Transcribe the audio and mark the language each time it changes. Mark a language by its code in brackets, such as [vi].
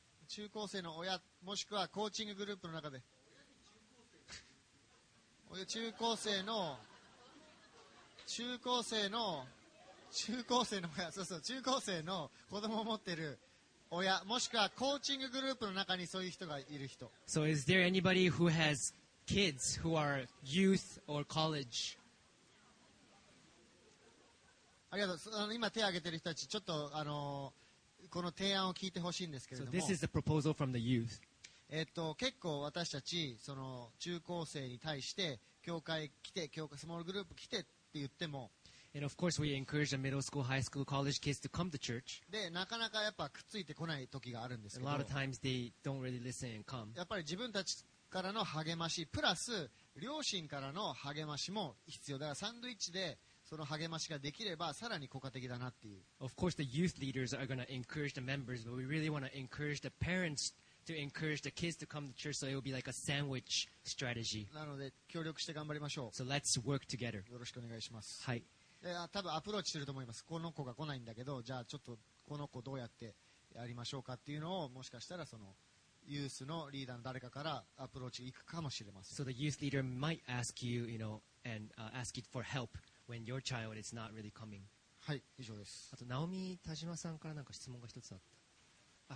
[ja] 中高生の親もしくはコーチンググループの中で中高生の親、そう中高生の子供を持ってる親、もしくはコーチンググループの中にそういう人がいる人。 [en] So is there anybody who has kids who are youth or college? [ja] ありがとう。今手を挙げてる人たち、ちょっとこの提案を聞いてほしいんですけれども。 [en] So this is the proposal from the youth. [ja] 結構私たちその中高生に対して教会来て、教会スモールグループ来てって言っても。 [en] And of course, we encourage the middle school, high school, college kids to come to church. [ja] で、なかなかやっぱくっついてこない時があるんですけど。 [en] A lot of times they don't really listen and come. [ja] やっぱり自分たちからの励ましプラス両親からの励ましも必要だから、サンドイッチでその励ましができればさらに効果的だなっていう。 [en] Of course, the youth leaders are going to encourage the members, but we really want to encourage the parents to encourage the kids to come to church, so it will be like a sandwich strategy. [ja] なので協力して頑張りましょう。 [en] So let's work together. [ja] よろしくお願いします。はい。多分アプローチすると思います。この子が来ないんだけど、じゃあちょっとこの子どうやってやりましょうかっていうのを、もしかしたらそのユースのリーダーの誰かからアプローチ行くかもしれません。 [en] So the youth leader might ask you, you know, and ask you for help when your child is not really coming. [ja] はい、以上です。あと直美田島さんからなんか質問が一つあった。